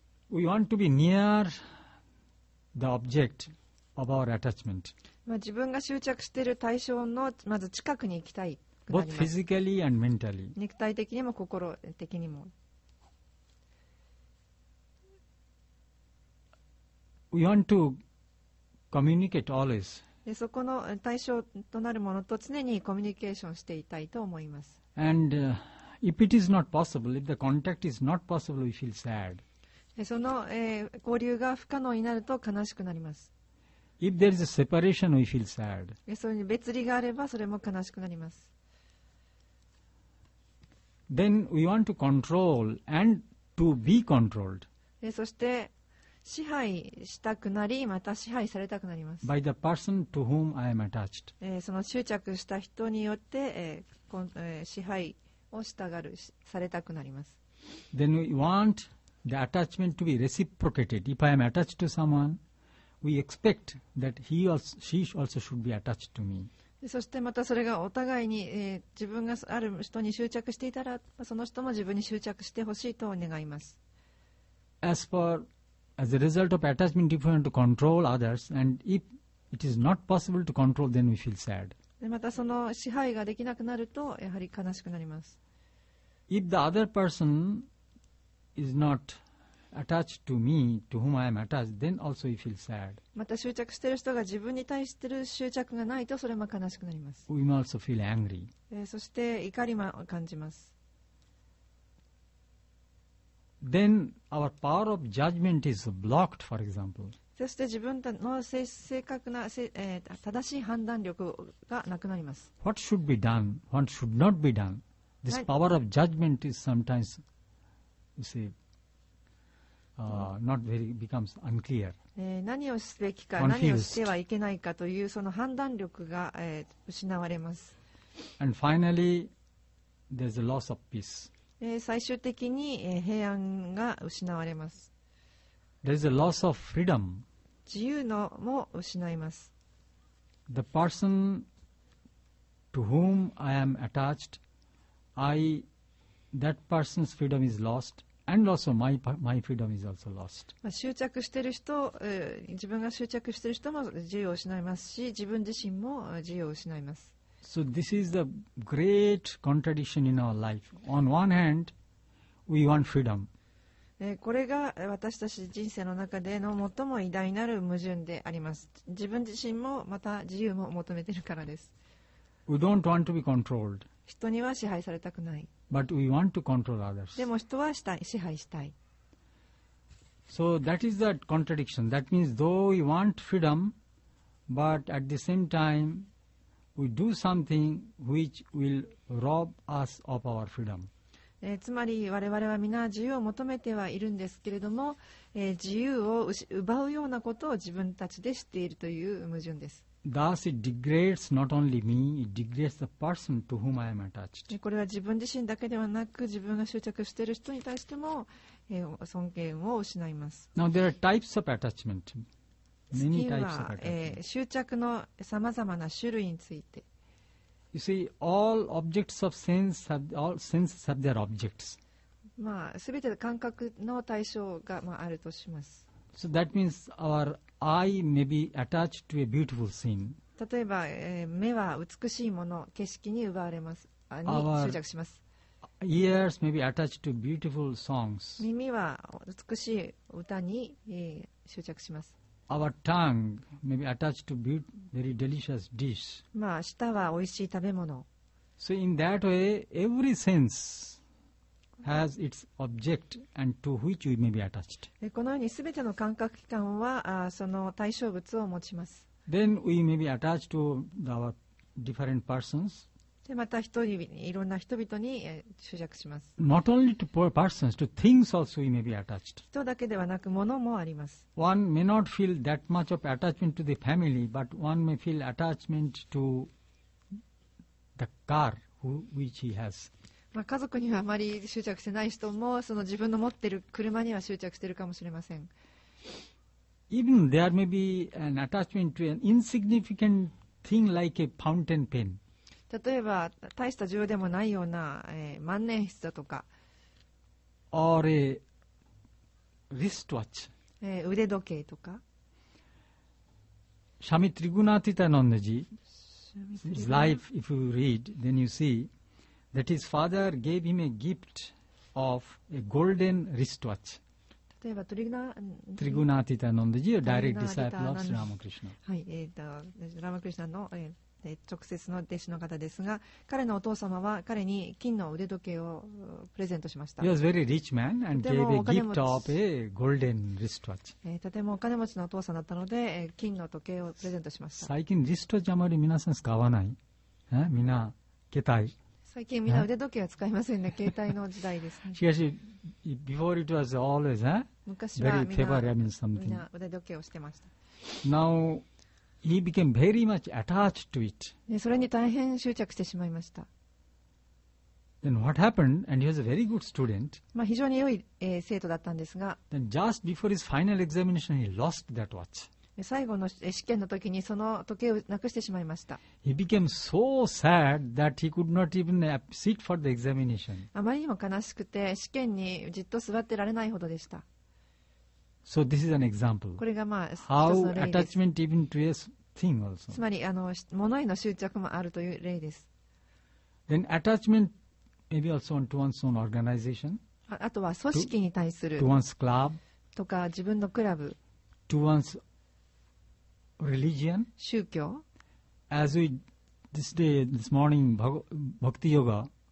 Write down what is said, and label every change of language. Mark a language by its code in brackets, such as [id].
[en] We want to be near the object of our attachment. [ja] 自分が執着している対象のまず近くに行きたい。 [en] Both physically and mentally. [ja] 肉体的にも心的にも。 [en] We want to communicate always. [ja] で、そこの対象となるものと常にコミュニケーションしていたいと思います。 [en] And if it is not possible, if the contact is not possible, we feel sad. [ja] その、交流が不可能になると悲しくなります。 [en] If there is a separation, we feel sad. [ja] それに別離があればそれも悲しくなります。 [en] Then we want to control and to be controlled. [ja] そして支配したくなり、また支配されたくなります。 [en] By the person to whom I am attached. [ja] その執着した人によって、支配を従うされたくなります。 [en] Then we want. The attachment to be reciprocated. If I am attached to someone, we expect that he or she also should be attached to me. [ja] そしてまたそれがお互いに、自分がある人に執着していたら、その人も自分に執着してほしいと願います。 [en] As for as a result of attachment difficult to control others, and if it is not possible to control, then we feel sad. [ja] またその支配ができなくなるとやはり悲しくなります。 [en] If the other person is not attached to me, to whom I am attached, then also we feel sad. [ja] また執着している人が自分に対している執着がないとそれも悲しくなります。 [en] We also feel angry. [ja] そして怒りも感じます。 [en] Then our power of judgment is blocked, for example. [ja] そして自分の正確な、正しい判断力がなくなります。 [en] What should be done? What should not be done? This power of judgment is sometimes, you see, not very, becomes unclear. [ja] 何をすべきか、何をしてはいけないかというその判断力が、失われます。 [en] And finally, there's a loss of peace. [ja] 最終的に平安が失われます。 [en] There's a loss of freedom. [ja] 自由のも失います。 [en] The person to whom I am attached, that person's freedom is lost, and also my freedom is also lost. [ja] 執着している人、自分が執着している人も自由を失いますし、自分自身も自由を失います。 [en] So this is the great contradiction in our life. On one hand, we want freedom. [ja] これが私たち人生の中での最も偉大なる矛盾であります。自分自身もまた自由も求めているからです。 [en] We don't want to be controlled. [ja] 人には支配されたくない。 [en] But we want to control others. [ja] でも人はしたい、支配したい。 [en] So that is the contradiction. That means though we want freedom, but at the same time,We do something which will rob us of our freedom. [ja] つまり我々は皆自由を求めてはいるんですけれども、自由を奪うようなことを自分たちでしているという矛盾です。 [en] Thus, it degrades not only me, it degrades the person to whom I am attached. [ja] これは自分自身だけではなく、自分が執着している人に対しても、尊厳を失います。 [en] Now, there are types of attachment. [ja] 次は、執着のさまざまな種類について。 [en] You see, all objects of sense have, all senses have their objects. [ja] まあ、すべての感覚の対象が、まあ、あるとします。 [en] So that means our eye may be attached to a beautiful scene. [ja] 例えば、目は美しいもの、景色に奪われます。に執着します。 [en] Ears may be attached to beautiful songs. [ja] 耳は美しい歌に、執着します。 [en] Our tongue may be attached to very delicious dish. [ja] まあ舌は美味しい食べ物。 [en] So in that way, every sense has its object and to which we may be attached. [ja] このようにすべての感覚器官はその対象物を持ちます。 [en] Then we may be attached to our different persons. [ja] でまた一人いろんな人々に執着します。 [en] Not only to poor persons, to things also we may be attached. [ja] 人だけではなく物もあります。 [en] One may not feel that much of attachment to the family, but one may feel attachment to the car which he has. [ja] まあ家族にはあまり執着してない人もその自分の持っている車には執着しているかもしれません。 [en] Even there may be an attachment to an insignificant thing like a fountain pen. [ja] 例えば大した重要でもないような、万年筆だとか [en] or a wristwatch、 [ja] 腕時計とか [en] シャミ・トリグナーティタ・ノンネジ His life, if you read, then you see that his father gave him a gift of a golden wristwatch. [ja] 例えば [en] トリグナーティタ・ノンネジ A direct disciple of Sri Ramakrishna [ja] はい、ラマクリシナの、直接の弟子の方ですが、彼のお父様は彼に金の腕時計をプレゼントしました。 [en] He was a very rich man and gave a gift of a golden wristwatch. [ja] とてもお金持ちのお父さんだったので、金の時計をプレゼントしました。最近、リストじゃあまり皆さん使わない。みんな、携帯。最近、みんな腕時計は使いませんね。携帯の時代ですね。しかし、 [en] before it was always, [ja] 昔はみんな腕時計をしてました。 [en] Now,He became very much attached to it. [ja] それに大変執着してしまいました。 [en] Then what happened? And he was a very good student. [ja] まあ非常に良い、生徒だったんですが。 [en] Then just before his final examination, he lost that watch. [ja] 最後の試験の時にその時計をなくしてしまいました。 [en] He became so sad that he could not even sit for the examination. [ja] あまりにも悲しくて試験にじっと座ってられないほどでした。 [en] So this is an example. [ja] これがまあ、 [en] how attachment even to a thing also. [ja] つまり、物への執着もあるという例です。 [en] Then attachment maybe also to one's own organization. [ja] あとは組織に対する。 [en] To one's club. [ja] とか自分のクラブ。 [en] To one's religion. [ja] 宗教。 [en] As we this day, this morning, Bhakti Yoga.